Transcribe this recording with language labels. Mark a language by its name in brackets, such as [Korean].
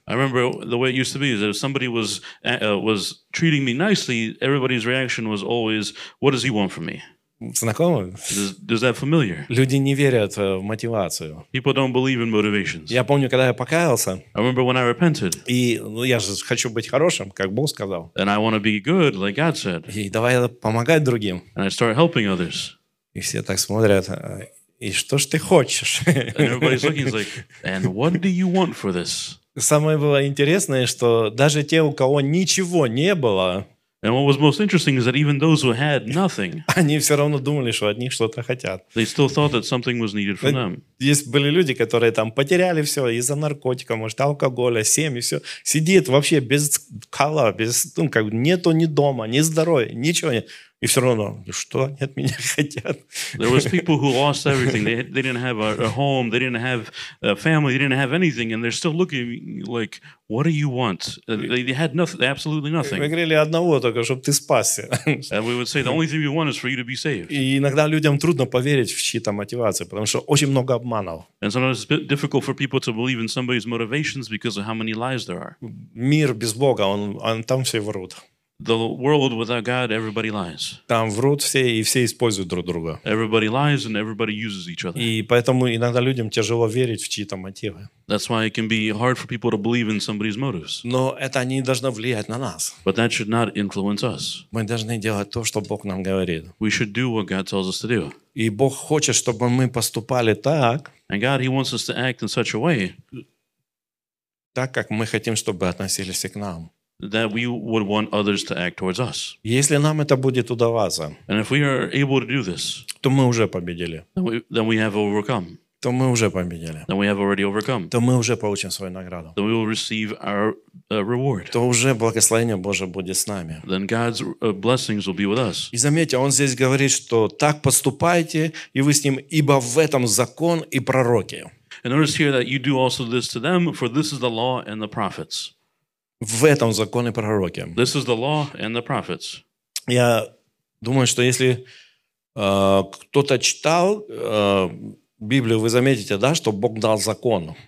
[English] I remember the way it used to be is that if somebody was treating me nicely, everybody's reaction was always, what does he want from me? [Russian] Знакомо? [English] Does that familiar? [Russian] Люди не верят в мотивацию. [English] People don't believe in motivations. [Russian] Я помню, когда я покаялся. [English] I remember when I repented. [Russian] И ну, я же хочу быть хорошим, как Бог сказал. [English] And I want to be good, like God said. [Russian] И давай помогать другим. [English] And I start helping others. [Russian] И все так смотрят. И что ж ты хочешь? [English] And everybody's looking, like, and what do you want for this? [Russian] Самое было интересное, что даже те, у кого ничего не было, [English] and what was most interesting is that even those who had nothing, [Russian] они все равно думали, что от них что-то хотят. [English] They still thought that something was needed for them. [Russian] Есть были люди, которые там потеряли все из-за наркотика, может, алкоголя, семьи, все. Сидит вообще без кала, без, ну, как бы, нету ни дома, ни здоровья, ничего нет. И все равно, что они от меня хотят? [English] There was people who lost everything. They didn't have a home, they didn't have a family, they didn't have anything, and they're still looking like, what do you want? They had nothing, absolutely nothing. [Russian] Мы говорили одного только, чтобы ты спасся. [English] And we would say the only thing we want is for you to be saved. [Russian] И иногда людям трудно поверить в чьи-то мотивации, потому что очень много обманов. [English] And sometimes it's difficult for people to believe in somebody's motivations because of how many lies there are. [Russian] Мир без Бога, он там все врут. [English] The world without God, everybody lies. [Russian] Там врут все и все используют друг друга. [English] Everybody lies and everybody uses each other. [Russian] И поэтому иногда людям тяжело верить в чьи-то мотивы. [English] That's why it can be hard for people to believe in somebody's motives. [Russian] Но это не должно влиять на нас. [English] But that should not influence us. [Russian] Мы должны делать то, что Бог нам говорит. [English] We should do what God tells us to do. [Russian] И Бог хочет, чтобы мы поступали так. [English] And God, He wants us to act in such a way. [Russian] Так как мы хотим, чтобы относились к нам. [English] That we would want others to act towards us. [Russian] Если нам это будет удаваться, [English] and if we are able to do this, [Russian] то мы уже победили. [English] Then we have overcome. [Russian] То мы уже победили. [English] Then we have already overcome. [Russian] То мы уже получим свою награду. [English] Then we will receive our reward. [Russian] То уже благословение Божие будет с нами. [English] Then God's blessings will be with us. [Russian] И заметьте, он здесь говорит, что так поступайте, и вы с ним, ибо в этом закон и пророки. [English] And notice here that you do also this to them, for this is the law and the prophets. [Russian] В этом законы пророки. [English] This is the law and the prophets. [Russian] Я думаю, что если кто-то читал Библию, вы заметите, да, что Бог дал закон.